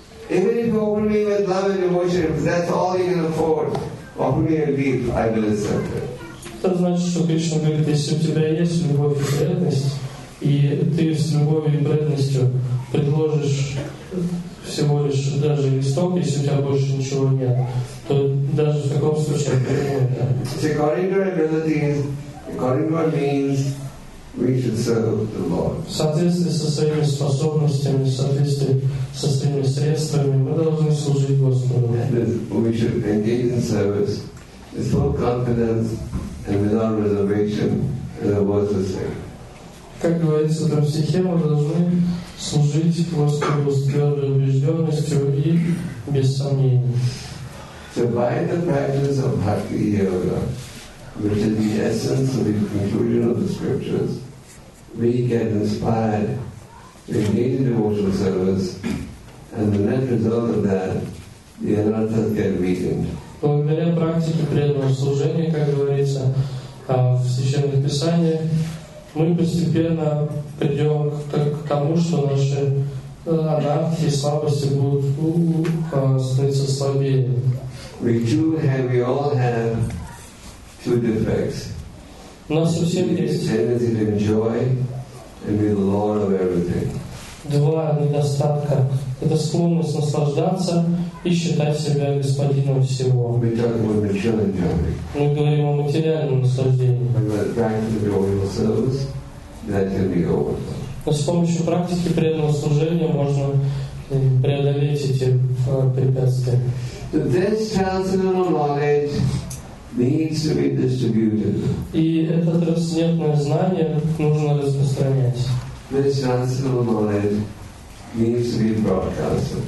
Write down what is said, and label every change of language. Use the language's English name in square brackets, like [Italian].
[English] Even if you open me with love and devotion, if that's all you can afford. Offer me a gift, I will accept it. [Russian] Это значит, что Кришна говорит, если у тебя есть любовь и преданность, И ты с любовью и преданностью предложишь всего лишь даже листок, если у тебя больше ничего нет, то даже в таком случае принято. [English] According to our ability, according to our means, we should serve the Lord. [Russian] В соответствии со своими способностями, в соответствии со своими средствами, мы должны служить Господу. [English] We should engage in service with full confidence and without reservation, as the words are saying. [Russian] Как говорится, там в стихе мы должны служить Господу с твердой убежденностью и без сомнений. [English] So by the practice of Bhakti Yoga, which is the essence of the conclusion of the scriptures, we get inspired to engage in devotional service, and the net result of that, the anarthas get weakened. [Russian] Благодаря практике преданного служения, как говорится, в Священных Писаниях, мы постепенно придем к тому, что наши анархии и слабости будут становиться слабее. [English] We do have, we all have two defects. [Russian] У нас у всех есть [English] tendency to enjoy and be the lord of everything. [Russian] Два недостатка. Это склонность наслаждаться и считать себя господином всего. [English] We talk about material enjoyment. [Russian] Мы говорим о материальном наслаждении. [English] And by practicing devotional service, that can be overcome. [Russian] С помощью практики преданного служения можно преодолеть эти препятствия. [English] So this transcendental knowledge needs to be distributed. [Russian] И это трансцендентное знание нужно распространять. [English] This transcendental knowledge needs to be broadcasted.